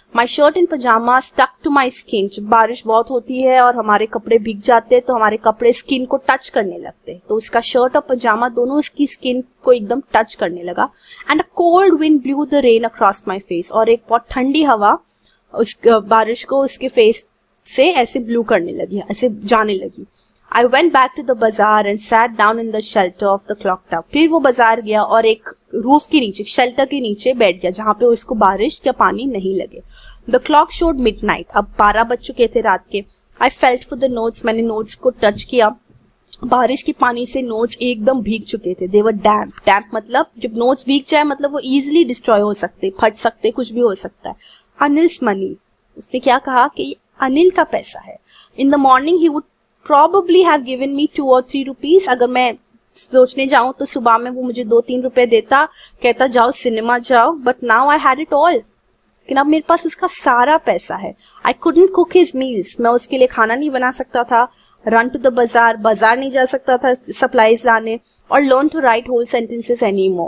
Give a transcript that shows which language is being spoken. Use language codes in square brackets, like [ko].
[en] My shirt and pyjama stuck to my skin. [hi] बारिश बहुत होती है और हमारे कपड़े भीग जाते हैं, तो हमारे कपड़े स्किन को टच करने लगते हैं, तो उसका शर्ट और पजामा दोनों उसकी स्किन को एकदम टच करने लगा. [en] and a cold wind blew the rain across my face, [hi] और एक बहुत ठंडी हवा उस बारिश को उसके फेस से ऐसे ब्लू करने लगी, ऐसे जाने लगी. [en] I went back to the bazaar and sat down in the shelter of the clock tower. [hi] फिर वो बाजार गया और एक रूफ के नीचे, शेल्टर के नीचे बैठ गया जहाँ पे उसको बारिश या पानी नहीं लगे. [en] The clock showed midnight. [hi] अब 12 बज चुके थे रात के. [en] I felt for the notes. [hi] मैंने नोट्स को टच किया. बारिश के पानी से नोट्स एकदम भीग चुके थे. [en] They were damp. [hi] Damp मतलब जब नोट्स भीग जाए मतलब वो easily destroy हो सकते, फट सकते, कुछ भी हो सकता है. [en] Anil's money. [hi] उसने क्या कहा कि अनिल का पैसा है. [en] In the morning he would probably have given me 2 or 3 rupees. [hi] अगर मैं सोचने जाऊँ तो सुबह में वो मुझे 2-3 रुपए देता, कहता जाओ सिनेमा जाओ, [en] but now I had it all. [hi] लेकिन अब मेरे पास उसका सारा पैसा है. [en] I couldn't cook his meals, [hi] मैं उसके लिए खाना नहीं बना सकता था, [en] run to the bazaar, [hi] बाजार नहीं जा सकता था सप्लाईज लाने, और [en] Learn to write whole sentences any more.